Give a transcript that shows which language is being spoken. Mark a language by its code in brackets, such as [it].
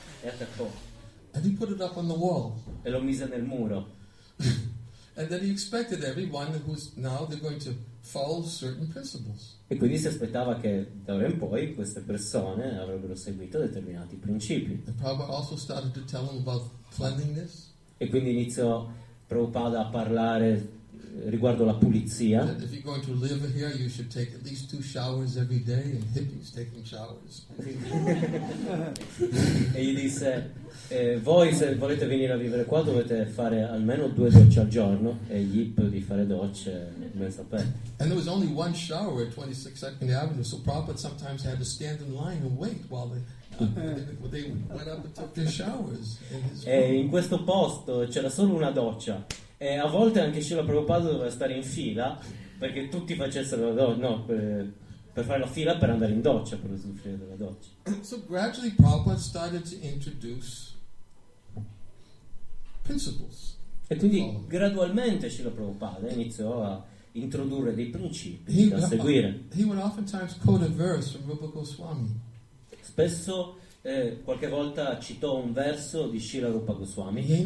[it] E attaccò. [en] And he put it up on the wall. [it] E lo mise nel muro. [en] And then he expected everyone who's now they're going to follow certain principles. [it] E quindi si aspettava che d'ora in poi queste persone avrebbero seguito determinati principi. [en] And Prabhupada also started to tell him about cleanliness. [it] E quindi iniziò Prabhupada a parlare riguardo la pulizia. [en] And if you're going to live here, you should take at least 2 showers every day, and hippies taking showers. [it] E gli disse: voi se volete venire a vivere qua dovete fare almeno 2 docce al giorno, e gli hippie di fare docce ben sapete. [en] And there was only one shower at 22nd Avenue, so Prabhupada sometimes had to stand in line and wait while they went up and took their showers. [it] E in questo posto c'era solo una doccia. E a volte anche Srila Prabhupada doveva stare in fila perché tutti facessero la doccia, no, per fare la fila per andare in doccia, per uscire dalla doccia. [en] So gradually Prabhupada started to introduce principles. [it] E quindi gradualmente Srila Prabhupada iniziò a introdurre dei principi da seguire. [en] He would oftentimes quote a verse from Rupa Goswami. [it] Spesso qualche volta citò un verso di Srila Rupa Goswami.